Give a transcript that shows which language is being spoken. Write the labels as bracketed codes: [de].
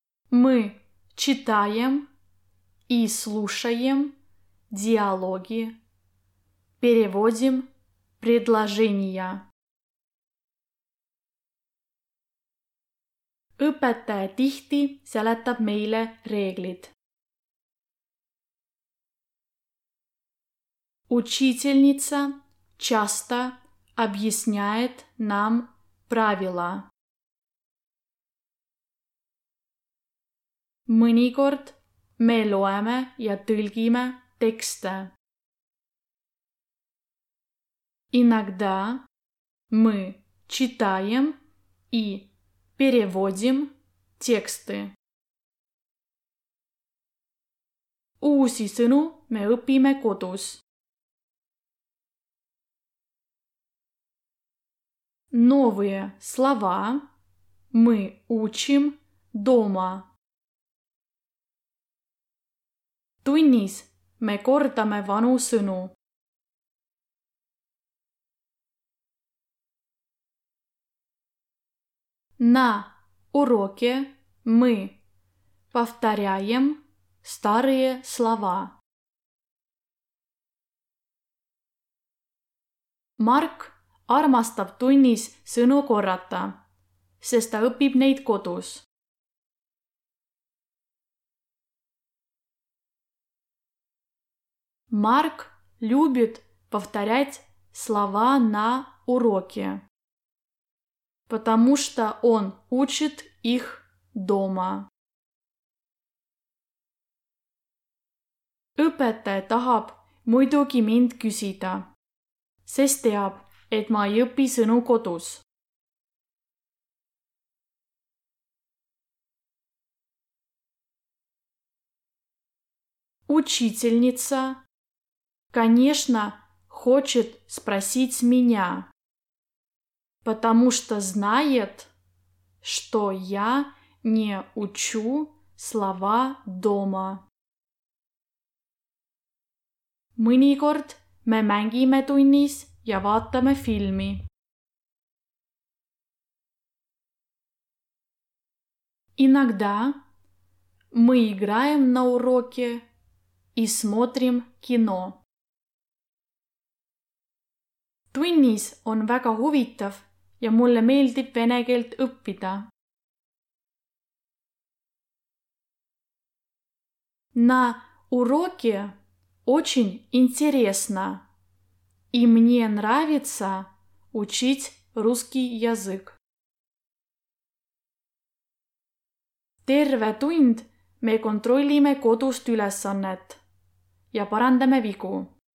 [ru] Мы читаем и слушаем диалоги. Переводим предложения. [et] Õpetaja tihti seletab meile reeglid. [ru] Учительница часто объясняет нам правила. [et] Mõnikord me loeme ja tõlgime tekste. [ru] Иногда мы читаем и переводим тексты. [et] Uusi sõnu me õpime kodus. [ru] Новые слова мы учим дома. [et] Tunnis me kordame vanu sõnu. [ru] На уроке мы повторяем старые слова. [et] Марк армастав tunnis sõnu korrata, sest ta õpib neid kodus. [ru] Марк любит повторять слова на уроке, потому что он учит их дома. [et] Õpetaja tahab muidugi mind küsida, sest teab, et ma ei õpi sõnu kodus. [ru] Учительница, конечно, хочет спросить меня, потому что знает, что я не учу слова дома. [et] Mõnikord me mängime tunnis ja vaatame filmi. [ru] Иногда мы играем на уроке и смотрим кино. [et] Tunnis on väga huvitav ja mulle meeldib vene keelt õppida. [ru] На уроке очень интересно, и мне нравится учить русский язык. [et] Terve tund me kontrollime kodust ülesannet ja parandame vigu.